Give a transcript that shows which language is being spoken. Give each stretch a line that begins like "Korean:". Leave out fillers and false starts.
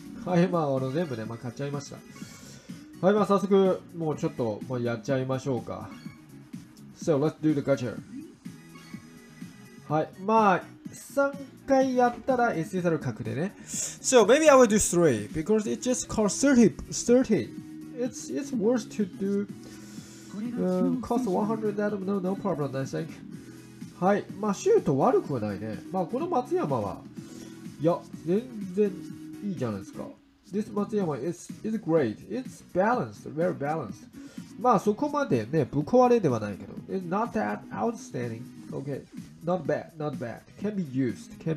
Japanese: はい、まあ、あの、全部ね、まあ、買っちゃいました。はい、まあ、早速、もうちょっと、まあ、やっちゃいましょうか。
English: So, let's do the gacha.
Japanese: はい、まあ、3回やったら SSR 確定ね。
English: So, maybe I will do 3, because it just costs 30. It's worth to do cost 100 that no problem, I think.
Japanese: はい、まあシュート悪くはないね。まあこの松山は、いや全然いいじゃないですか。
English: This 松山 is great. It's balanced, very balanced.
Japanese: まあそこまでね、ぶっ壊れではないけど。
English: It's not that outstanding. Okay, not bad. Can be used.